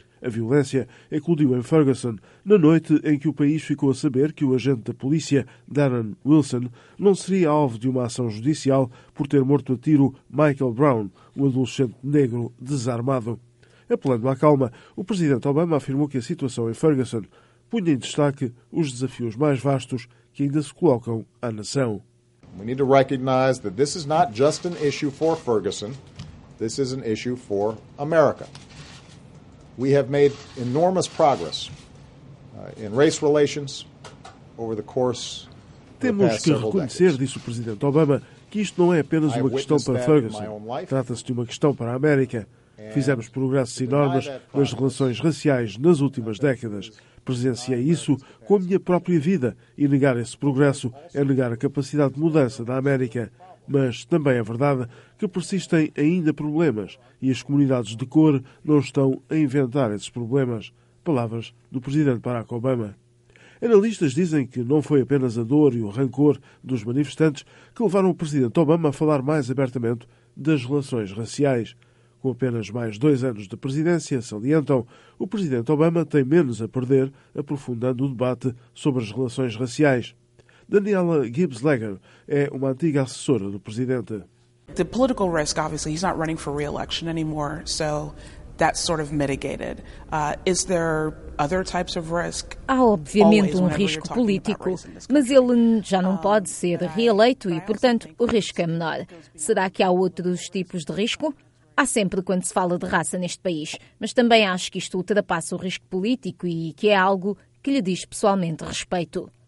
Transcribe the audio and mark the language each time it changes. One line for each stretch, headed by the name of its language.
Portuguese: A violência eclodiu em Ferguson na noite em que o país ficou a saber que o agente da polícia, Darren Wilson, não seria alvo de uma ação judicial por ter morto a tiro Michael Brown, um adolescente negro desarmado. Apelando à calma, o presidente Obama afirmou que a situação em Ferguson punha em destaque os desafios mais vastos que ainda se colocam à nação.
English: We need to recognize that this is not just an issue for Ferguson, this is an issue for America. We have made enormous progress in race relations over the course of the past several decades.
Portuguese: Temos que reconhecer, disse o presidente Obama, que isto não é apenas uma questão para Ferguson, trata-se de uma questão para a América. Fizemos progressos enormes nas relações raciais nas últimas décadas. Presenciei isso com a minha própria vida e negar esse progresso é negar a capacidade de mudança da América. Mas também é verdade que persistem ainda problemas e as comunidades de cor não estão a inventar esses problemas. Palavras do presidente Barack Obama. Analistas dizem que não foi apenas a dor e o rancor dos manifestantes que levaram o presidente Obama a falar mais abertamente das relações raciais. Com apenas mais 2 anos de presidência, salientam, o presidente Obama tem menos a perder, aprofundando o debate sobre as relações raciais. Daniela Gibbs-Legger é uma antiga assessora do presidente.
English: The political risk, obviously, he's not running for re-election anymore, so that's sort of mitigated. Is there other types of risk?
Portuguese: Há obviamente um risco político, mas ele já não pode ser reeleito e, portanto, o risco é menor. Será que há outros tipos de risco? Há sempre quando se fala de raça neste país, mas também acho que isto ultrapassa o risco político e que é algo que lhe diz pessoalmente respeito.